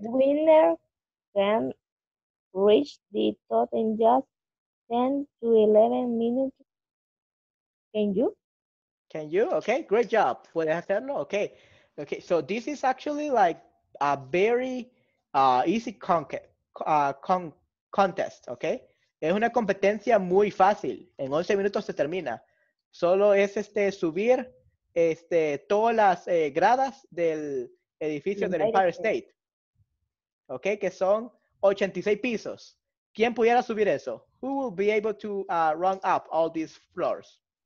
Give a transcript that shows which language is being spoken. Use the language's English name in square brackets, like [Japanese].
[English] Winner can reach the top in just 10 to 11 minutes. Can you? Can you? Okay, great job. [Spanish] Puede hacerlo. [English] Okay. Okay. So this is actually like a very easy contest, okay? [Spanish] Es una competencia muy fácil. En 11 minutos se termina. Solo es subir todas las gradas del edificio del Empire State. Okay, que son 86 pisos. ¿Quién pudiera subir eso? [English] Who will be able to run up all these floors?